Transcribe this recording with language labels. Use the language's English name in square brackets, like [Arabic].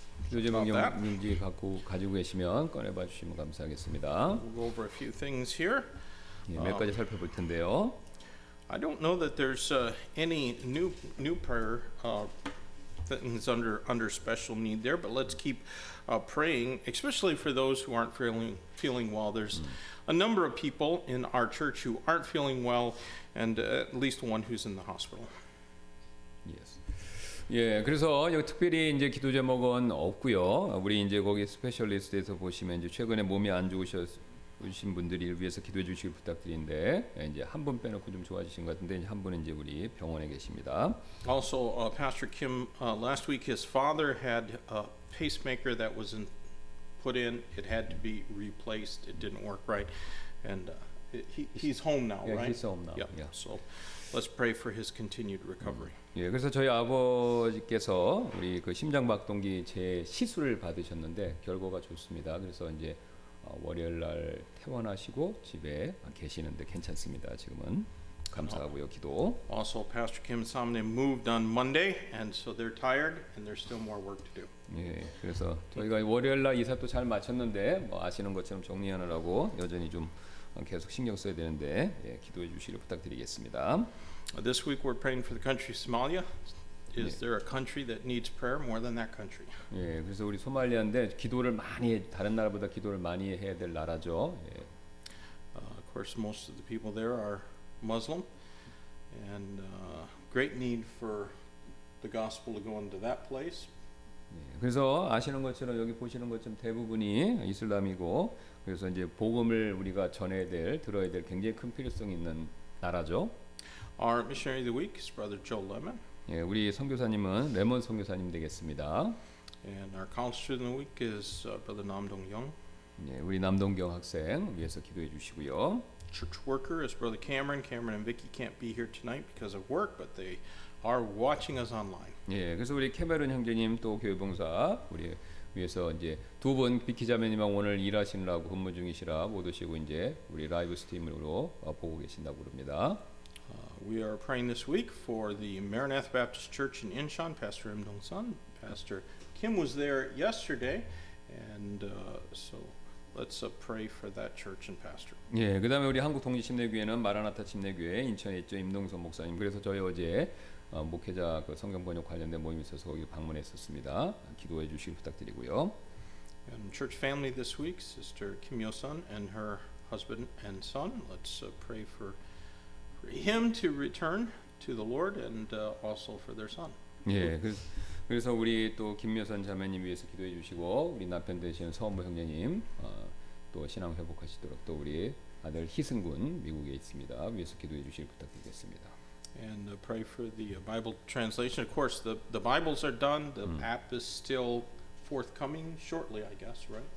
[Korean] 주제 명령인지 가지고 계시면 꺼내봐 주시면 감사하겠습니다. [English] We'll go over a few things here. [Korean] 예, 몇 가지 살펴볼 텐데요. [English] I don't know that there's any new prayer Clinton's under special need there, but let's keep praying, especially for those who aren't feeling well. There's a number of people in our church who aren't feeling well, and at least one who's in the hospital. Yes. [Korean] 예, 그래서 여기 특별히 이제 기도 제목은 없고요. 우리 이제 거기 스페셜리스트에서 보시면 이제 최근에 몸이 안 좋으신 분들을 위해서 기도해 주시기 부탁드리는데 이제 한 분 빼놓고 좀 좋아지신 것 같은데 이제 한 분은 이제 우리 병원에 계십니다. [English] Also, Pastor Kim, last week his father had a pacemaker that was put in. It had to be replaced. It didn't work right, and he's home now, yeah, right? He's home now. Yeah. So let's pray for his continued recovery. [Korean] 예, 그래서 저희 아버지께서 우리 그 심장박동기 제 시술을 받으셨는데 결과가 좋습니다. 그래서 이제 월요일 날 퇴원하시고 집에 계시는데 괜찮습니다. 지금은 감사하고요. 기도. [English] Also, Pastor Kim and Somni moved on Monday, and so they're tired, and there's still more work to do. [Korean] 예, 그래서 저희가 월요일 날 이사도 잘 마쳤는데 뭐 아시는 것처럼 정리하느라고 여전히 좀 계속 신경 써야 되는데 예, 기도해 주시길 부탁드리겠습니다. [English] This week we're praying for the country Somalia. Is there a country that needs prayer more than that country? [Korean] 예, 그래서 우리 소말리아인데 기도를 많이 다른 나라보다 기도를 많이 해야 될 나라죠. 예. [English] Of course, most of the people there are Muslim, and great need for the gospel to go into that place. [Korean] 예, 그래서 아시는 것처럼 여기 보시는 것처럼 대부분이 이슬람이고 그래서 이제 복음을 우리가 전해야 될 들어야 될 굉장히 큰 필요성이 있는 나라죠. [English] Our missionary of the week is Brother Joe Lemon. [Korean] 예, 우리 선교사님은 레몬 선교사님 되겠습니다. [English] And our counselor of the week is Brother Nam Dong Young. [Korean] 예, 우리 남동경 학생 위해서 기도해 주시고요. [English] Church worker is Brother Cameron. Cameron and Vicky can't be here tonight because of work, but they are watching us online. [Korean] 예, 그래서 우리 캐머런 형제님 또 교회봉사 우리 위해서 이제 두 분 비키 자매님하고 오늘 일하시느라고 근무 중이시라 못 오시고 이제 우리 라이브 스트림으로 보고 계신다고 그럽니다. [English] We are praying this week for the Maranatha Baptist Church in Incheon, Pastor Im Dong Sun. Pastor Kim was there yesterday, and so let's pray for that church and pastor. [Korean] 예, 그다음에 우리 한국 동지 침례교회는 마라나타 침례교회 인천에 있죠. 임동선 목사님. 그래서 저희 어제 목회자 그 성경 번역 관련된 모임 있어서 거기 방문했었습니다. 기도해 주시길 부탁드리고요. [English] And church family this week, Sister Kim Yo Sun and her husband and son. Let's pray for him to return to the Lord and also for their son. [Korean] 예, 그래서 우리 또 김여선 자매님 위해서 기도해 주시고 우리 남편 되신 서원부 형제님 또 신앙 회복하시도록 또 우리 아들 희승군 미국에 있습니다. 위해서 기도해 주시길 부탁드리겠습니다. [English] And pray for the Bible translation. Of course, the Bibles are done. The app is still forthcoming shortly, I guess, right?